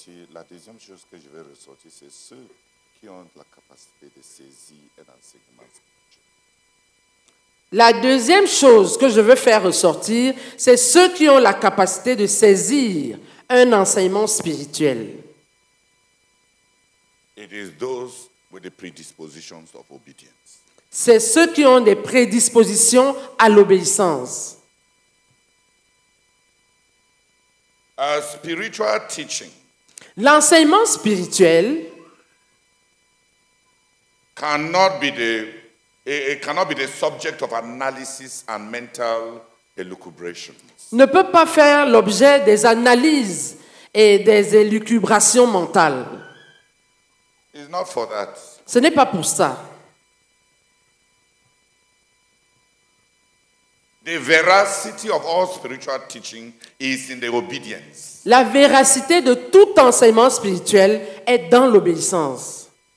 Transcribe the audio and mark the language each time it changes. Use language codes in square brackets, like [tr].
[fr] La deuxième chose que je vais ressortir, c'est ceux qui ont la capacité de saisir un enseignement spirituel. La deuxième chose que je veux faire ressortir, c'est ceux qui ont la capacité de saisir un enseignement spirituel. [en] It is those with the predispositions of obedience. [fr] C'est ceux qui ont des prédispositions à l'obéissance. [en] A spiritual teaching. [fr] L'enseignement spirituel [en] cannot be the subject of analysis and mental elucubrations. [fr] Ne peut pas faire l'objet des analyses et des élucubrations mentales. [en] It's not for that. [fr] Ce n'est pas pour ça. [en] The veracity of all spiritual teaching is in the obedience. [fr] La véracité de tout enseignement spirituel est dans l'obéissance.